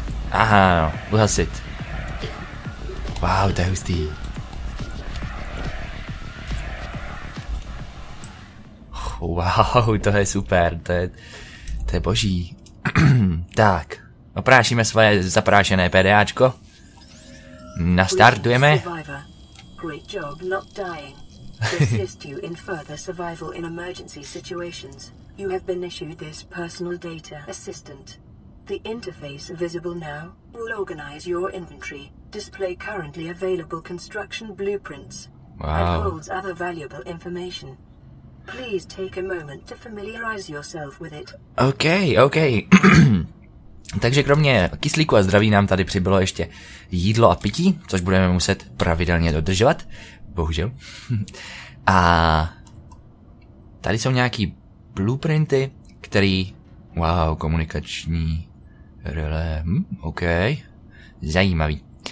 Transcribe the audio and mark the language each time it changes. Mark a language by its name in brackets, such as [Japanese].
[Czech] Aha, no, uhasit. Wow, to je hustý. Wow, to je super, to je boží. Tak, oprášíme svoje zaprášené PDAčko. Nastartujeme. [English] Great job not dying. Assist you in further survival in emergency situations. You have been issued this personal data assistant. The interface visible now will organize your inventory, display currently available construction blueprints, and holds other valuable information. Please take a moment to familiarize yourself with it. Okay. [Czech] Takže kromě kyslíku a zdraví nám tady přibylo ještě jídlo a pití, což budeme muset pravidelně dodržovat, bohužel. A tady jsou nějaký blueprinty, který... Wow, komunikační relé, okej, zajímavý.